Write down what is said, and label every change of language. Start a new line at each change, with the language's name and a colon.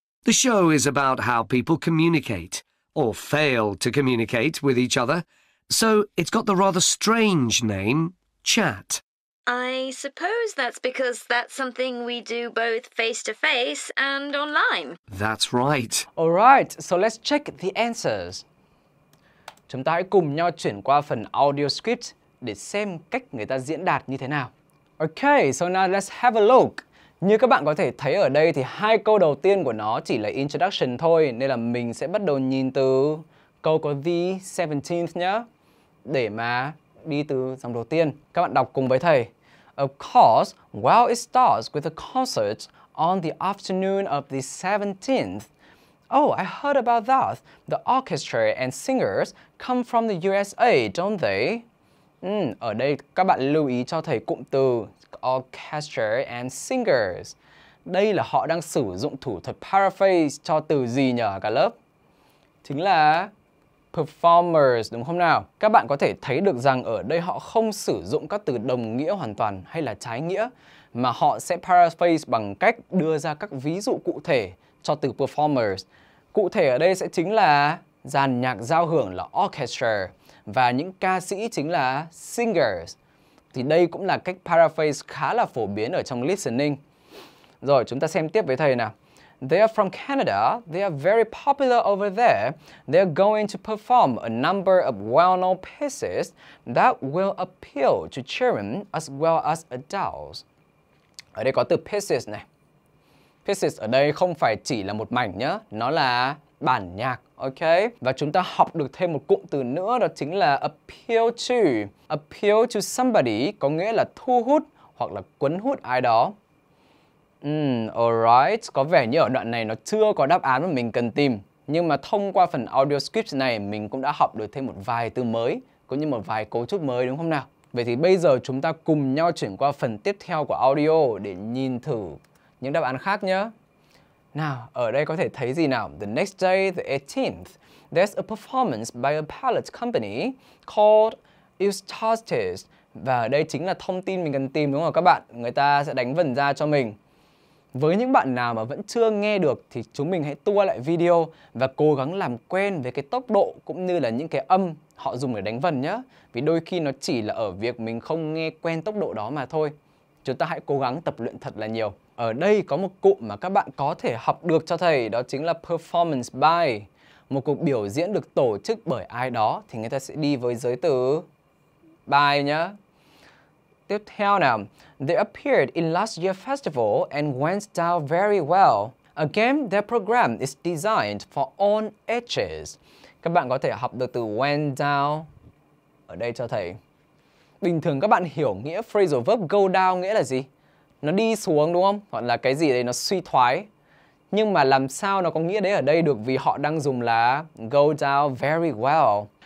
English: The show is about how people communicate, or fail to communicate, with each other. So it's got the rather strange name, chat. I suppose that's because that's something we do both face-to-face and online. That's right. All right, so let's check the answers.
Vietnamese: Chúng ta hãy cùng nhau chuyển qua phần audio script để xem cách người ta diễn đạt như thế nào.
English: Okay, so now let's have a look.
Vietnamese: Như các bạn có thể thấy ở đây thì hai câu đầu tiên của nó chỉ là introduction thôi, nên là mình sẽ bắt đầu nhìn từ câu có the 17th nhá, để mà đi từ dòng đầu tiên. Các bạn đọc cùng với thầy.
English: Of course, well, it starts with a concert on the afternoon of the 17th. Oh, I heard about that. The orchestra and singers come from the USA, don't they?
Vietnamese: Ở đây các bạn lưu ý cho thầy cụm từ orchestra and singers. Đây là họ đang sử dụng thủ thuật paraphrase cho từ gì nhờ cả lớp? Chính là performers, đúng không nào? Các bạn có thể thấy được rằng ở đây họ không sử dụng các từ đồng nghĩa hoàn toàn hay là trái nghĩa, mà họ sẽ paraphrase bằng cách đưa ra các ví dụ cụ thể cho từ performers. Cụ thể ở đây sẽ chính là dàn nhạc giao hưởng là orchestra và những ca sĩ chính là singers. Thì đây cũng là cách paraphrase khá là phổ biến ở trong listening. Rồi, chúng ta xem tiếp với thầy nào.
English: They are from Canada. They are very popular over there. They are going to perform a number of well-known pieces that will appeal to children as well as adults.
Vietnamese: Ở đây có từ pieces này. Pieces ở đây không phải chỉ là một mảnh nhá, nó là bản nhạc, ok? Và chúng ta học được thêm một cụm từ nữa, đó chính là appeal to. Appeal to somebody có nghĩa là thu hút hoặc là cuốn hút ai đó. Alright, có vẻ như ở đoạn này nó chưa có đáp án mà mình cần tìm. Nhưng mà thông qua phần audio script này, mình cũng đã học được thêm một vài từ mới, cũng như một vài cấu trúc mới, đúng không nào? Vậy thì bây giờ chúng ta cùng nhau chuyển qua phần tiếp theo của audio để nhìn thử những đáp án khác nhé. Nào, ở đây có thể thấy gì nào?
English: The next day, the 18th, there's a performance by a palette company called Eustaches.
Vietnamese: Và ở đây chính là thông tin mình cần tìm, đúng không các bạn? Người ta sẽ đánh vần ra cho mình. Với những bạn nào mà vẫn chưa nghe được thì chúng mình hãy tua lại video và cố gắng làm quen với cái tốc độ cũng như là những cái âm họ dùng để đánh vần nhé. Vì đôi khi nó chỉ là ở việc mình không nghe quen tốc độ đó mà thôi. Chúng ta hãy cố gắng tập luyện thật là nhiều. Ở đây có một cụm mà các bạn có thể học được cho thầy, đó chính là performance by. Một cuộc biểu diễn được tổ chức bởi ai đó thì người ta sẽ đi với giới từ by nhé. Tiếp theo nào,
English: they appeared in last year's festival and went down very well. Again, their program is designed for all ages.
Vietnamese: Các bạn có thể học được từ went down ở đây cho thầy. Bình thường các bạn hiểu nghĩa phrasal verb go down nghĩa là gì? Nó đi xuống đúng không? Hoặc là cái gì đấy nó suy thoái. Nhưng mà làm sao nó có nghĩa đấy ở đây được vì họ đang dùng là go down very well.